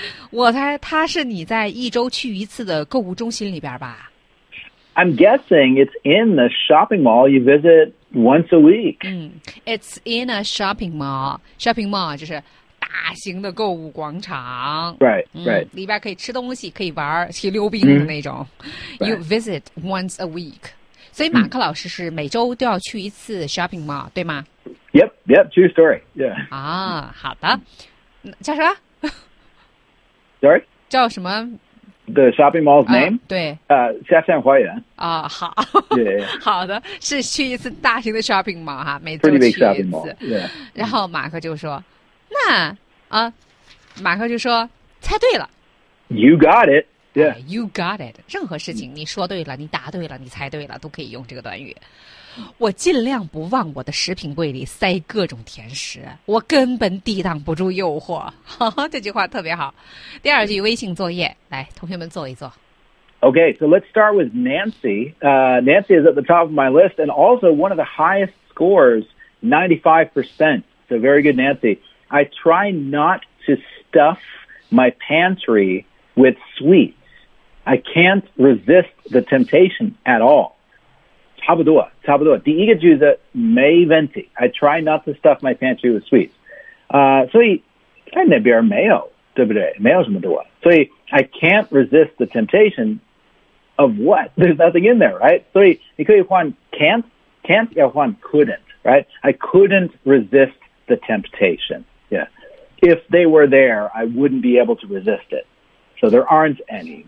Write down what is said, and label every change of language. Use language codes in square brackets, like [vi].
[zh] 我猜他是你在一周去一次的购物中心里边吧？ [en] I'm guessing it's in the shopping mall you visit once a week. It's in a shopping mall. Shopping mall [zh] 就是大型的购物广场。 [en] Right, right. [zh] 里边可以吃东西，可以玩，可以溜冰的那种。 [en] You visit once a week. [zh] 所以马克老师是每周都要去一次 shopping mall, 对吗？ [en] Yep, yep, true story, yeah. [zh] 啊，好的。叫什么？ [en] Sorry? [zh] 叫什么？ [en] The shopping mall's name? [zh] 对。下山花园。啊，好。 [en] Yeah. [zh] 好的，是去一次大型的 shopping mall, 哈，每次 [en] 去一次。Pretty big shopping mall, yeah. [zh] 然后马克就说，那，啊，马克就说，猜对了。 [en] You got it, yeah. You got it. [zh] 任何事情你说对了，你答对了，你猜对了，都可以用这个短语。我尽量不往我的食品柜里塞各种甜食，我根本抵挡不住诱惑。这句话特别好。第二句微信作业，来，同学们做一做。 [en] Okay, so let's start with Nancy. Nancy is at the top of my list and also one of the highest scores, 95%. So very good, Nancy. I try not to stuff my pantry with sweets. I can't resist the temptation at all. [zh] 差不多，差不多。第一个句子 [en] ，May 20 I try not to stuff my pantry with sweets. [zh] 所以在那边没有，对不对？没有什么多。 [en] 所以 I can't resist the temptation of what? There's nothing in there, right? [zh] 所以你可以换 [en] can't 要换 couldn't, right? I couldn't resist the temptation. Yeah. If they were there, I wouldn't be able to resist it. So there aren't any.